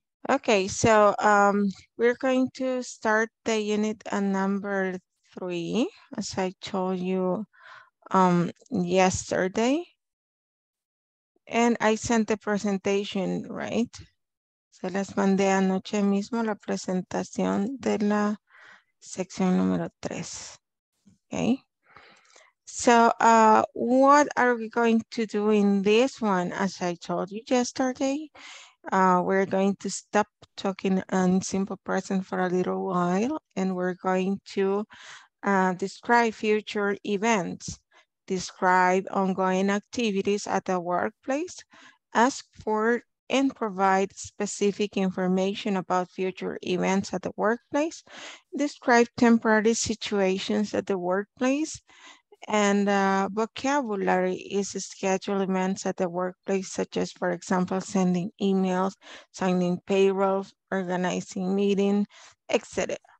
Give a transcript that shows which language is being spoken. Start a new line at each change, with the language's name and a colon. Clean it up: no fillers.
English: Okay, so we're going to start the unit number three, as I told you yesterday. And I sent the presentation, right?
Spanish: Se las mandé anoche mismo la presentación de la sección número tres.
English: Okay. So what are we going to do in this one, as I told you yesterday? We're going to stop talking in simple present for a little while, and we're going to describe future events, describe ongoing activities at the workplace, ask for and provide specific information about future events at the workplace, describe temporary situations at the workplace, and vocabulary is schedule events at the workplace, such as, for example, sending emails, signing payrolls, organizing meeting, etc.